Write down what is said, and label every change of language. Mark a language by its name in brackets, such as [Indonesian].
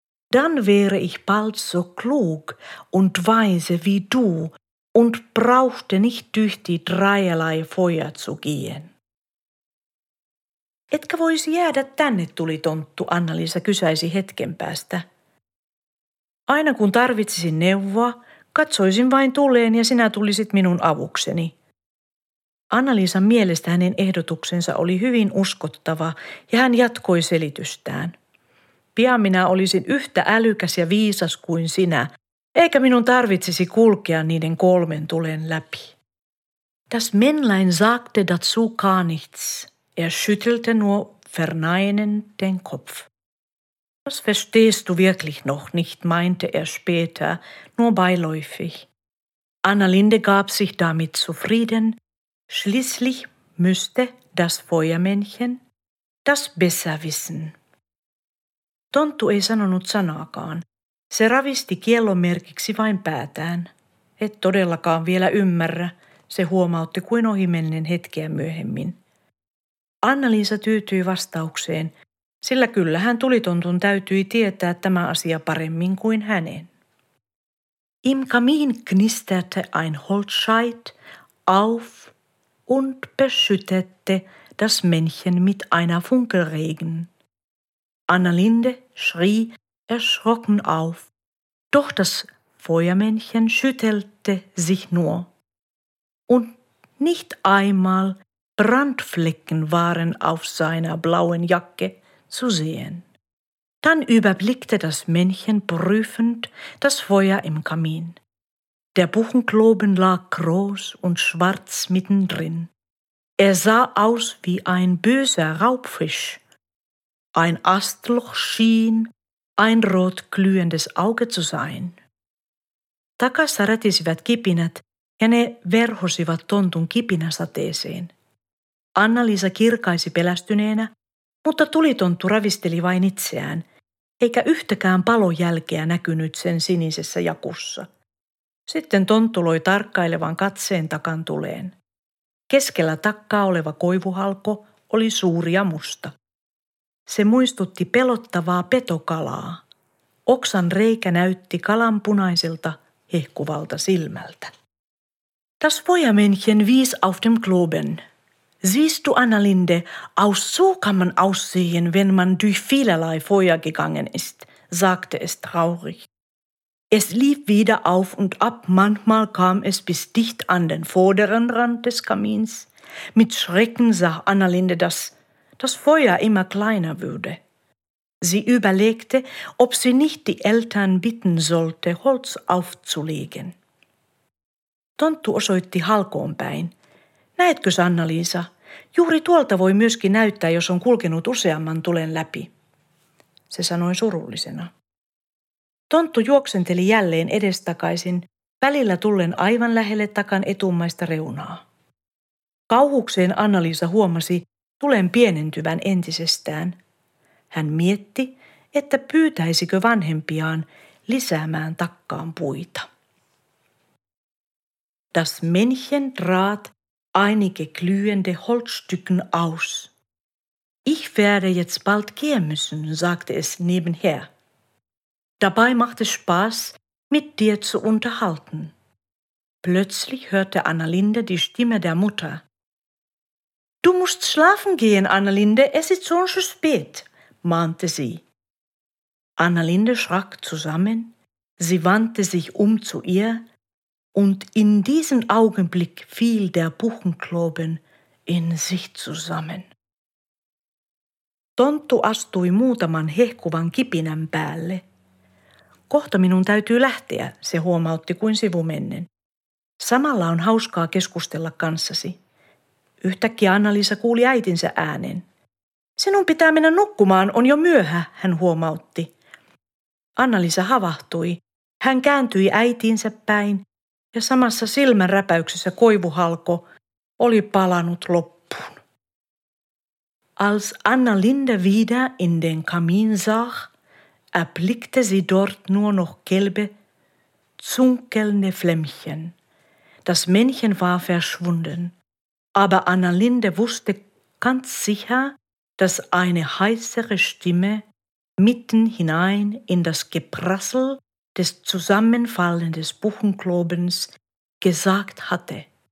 [German] Dann wäre ich bald so klug und weise wie du und brauchte nicht durch die dreierlei Feuer zu gehen. [Finnish] Etkä voisi jäädä tänne, tuli tonttu, Anna-Liisa kysäisi hetken päästä. Aina kun tarvitsisin neuvoa, katsoisin vain tuleen ja sinä tulisit minun avukseni. Anna-Liisan mielestä hänen ehdotuksensa oli hyvin uskottava ja hän jatkoi selitystään. Pian minä olisin yhtä älykäs ja viisas kuin sinä, eikä minun tarvitsisi kulkea niiden kolmen tulen läpi. [German] Das Männlein sagte dazu gar nichts. Er schüttelte nur verneinend den Kopf. Das verstehst du wirklich noch nicht, meinte er später, nur beiläufig. Annalinde gab sich damit zufrieden. Schließlich müsste das Feuermännchen das besser wissen. [Finnish] Tonttu ei sanonut sanaakaan. Se ravisti kiellon merkiksi vain päätään. Et todellakaan vielä ymmärrä, se huomautti kuin ohimennen hetkeä myöhemmin. Anna-Liisa tyytyi vastaukseen, sillä kyllähän tulitontun täytyi tietää tämä asia paremmin kuin hänen. [German] Im Kamin knisterte ein Holzscheit auf und beschüttete das Männchen mit einer Funkelregen. Annalinde schrie erschrocken auf, doch das Feuermännchen schüttelte sich nur. Und nicht einmal Brandflecken waren auf seiner blauen Jacke zu sehen. Dann überblickte das Männchen prüfend das Feuer im Kamin. Der Buchenkloben lag groß und schwarz mittendrin. Er sah aus wie ein böser Raubfisch. Ein Astloch schien ein rot glühendes Auge zu sein. [Finnish] Takassa rätisivät kipinät ja ne verhosivat tontun kipinäsateeseen. Anna-Liisa kirkaisi pelästyneenä, mutta tulitonttu ravisteli vain itseään, eikä yhtäkään palojälkeä näkynyt sen sinisessä jakussa. Sitten tonttu loi tarkkailevan katseen takan tuleen. Keskellä takkaa oleva koivuhalko oli suuri ja musta. Se muistutti pelottavaa petokalaa. Oksan reikä näytti kalan punaiselta hehkuvalta silmältä. [German] Das Feuermännchen wies auf dem Globen. Siehst du, Annalinde, auch so kann man aussehen, wenn man durch vielerlei Feuer gegangen ist, sagte es traurig. Es lief wieder auf und ab, manchmal kam es bis dicht an den vorderen Rand des Kamins. Mit Schrecken sah Annalinde, dass das Feuer immer kleiner würde. Sie überlegte, ob sie nicht die Eltern bitten sollte, Holz aufzulegen. [Finnish] Tonttu osoitti halkoon päin. Näetkö, Anna-Liisa? Juuri tuolta voi myöskin näyttää, jos on kulkenut useamman tulen läpi. Se sanoi surullisena. Tonttu juoksenteli jälleen edestakaisin, välillä tullen aivan lähelle takan etummaista reunaa. Kauhukseen Anna-Liisa huomasi tulen pienentyvän entisestään. Hän mietti, että pyytäisikö vanhempiaan lisäämään takkaan puita. [German] Das Männchen trat einige glühende Holzstücken aus. Ich werde jetzt bald gehen müssen, sagte es nebenher. Dabei macht es Spaß, mit dir zu unterhalten. Plötzlich hörte Annalinde die Stimme der Mutter. Du musst schlafen gehen, Annalinde, es ist schon zu spät, mahnte sie. Annalinde schrak zusammen, sie wandte sich um zu ihr, und in diesem Augenblick fiel der Buchenkloben in sich zusammen. [Finnish] Tonttu astui muutaman hehkuvan kipinän päälle. Kohta minun täytyy lähteä, se huomautti kuin sivumennen. Samalla on hauskaa keskustella kanssasi. Yhtäkkiä Anna-Liisa kuuli äitinsä äänen. Sinun pitää mennä nukkumaan, on jo myöhä, hän huomautti. Anna-Liisa havahtui. Hän kääntyi äitinsä päin. Ja samassa silmänräpäyksessä koivuhalko oli palanut loppuun. [German] Als Annalinde wieder in den Kamin sah, erblickte sie dort nur noch gelbe, zunkelnde Flämmchen. Das Männchen war verschwunden, aber Annalinde wusste ganz sicher, dass eine heißere Stimme mitten hinein in das Geprassel des Zusammenfallen des Buchenklobens gesagt hatte.